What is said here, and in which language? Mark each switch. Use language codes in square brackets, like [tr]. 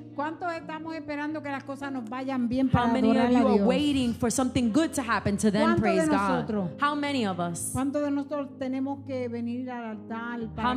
[es] ¿Cuántos estamos esperando que las cosas nos vayan bien para adorar a Dios? [en] How many of you are waiting for something good to happen to then praise [es] ¿Cuántos de nosotros? [en] How many of us? [es] ¿Cuántos de nosotros tenemos que venir al altar para